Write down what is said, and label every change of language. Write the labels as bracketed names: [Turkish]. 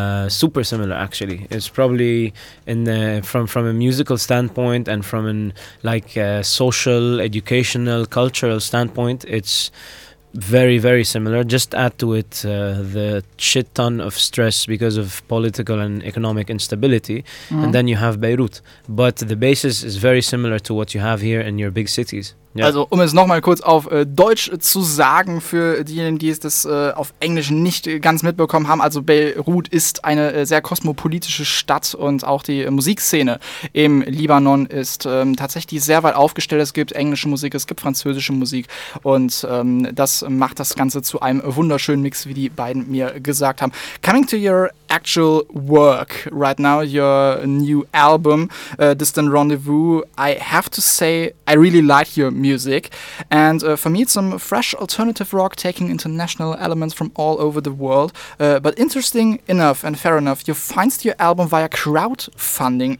[English] Super similar, actually. It's probably from a musical standpoint and from an social, educational, cultural standpoint, it's very, very similar. Just add to it the shit ton of stress because of political and economic instability, and then you have Beirut. But the basis is very similar to what you have here in your big cities. Ja. [German] Also, um es nochmal kurz auf Deutsch zu sagen, für diejenigen, die es das auf Englisch nicht ganz mitbekommen haben. Also, Beirut ist eine sehr kosmopolitische Stadt und auch die Musikszene im Libanon ist tatsächlich sehr weit aufgestellt. Es gibt englische Musik, es gibt französische Musik und das macht das Ganze zu einem wunderschönen Mix, wie die beiden mir gesagt haben. [English] Coming to your actual work right now, your new album, Distant Rendezvous, I have to say, I really like your music, and for me it's some fresh alternative rock taking international elements from all over the world, but interesting enough and fair enough, you find your album via crowdfunding.